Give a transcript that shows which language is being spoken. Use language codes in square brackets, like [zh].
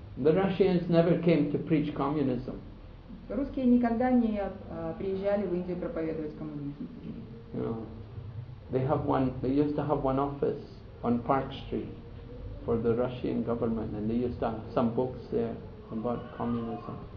[en] The Russians never came to preach communism. [ru] Русские никогда не приезжали в Индию проповедовать коммунизм. [en] You know, they used to have one office on Park Street for the Russian government, and they used to have some books there about communism.